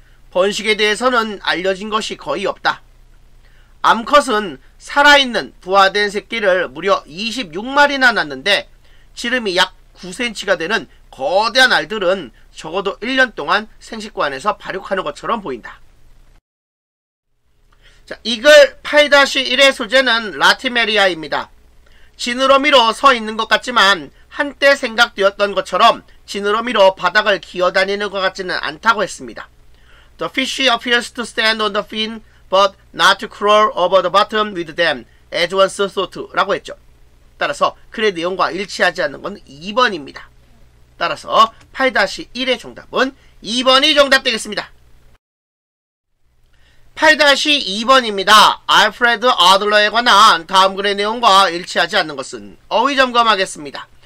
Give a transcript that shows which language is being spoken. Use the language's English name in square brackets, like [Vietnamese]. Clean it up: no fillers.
[Korean] 번식에 대해서는 알려진 것이 거의 없다. 암컷은 살아있는 부화된 새끼를 무려 26마리나 낳는데 지름이 약 9cm가 되는 거대한 알들은 적어도 1년 동안 생식관에서 발육하는 것처럼 보인다. 자, 이 글 8-1의 소재는 라티메리아입니다. 지느러미로 서 있는 것 같지만 한때 생각되었던 것처럼 지느러미로 바닥을 기어다니는 것 같지는 않다고 했습니다. [English] The fish appears to stand on the fin but not to crawl over the bottom with them as once thought [Korean] 라고 했죠. 따라서 글의 내용과 일치하지 않는 건 2번입니다. 따라서 8-1의 정답은 2번이 정답되겠습니다. 8-2번입니다. 알프레드 아들러에 관한 다음 글의 내용과 일치하지 않는 것은 어휘 점검하겠습니다.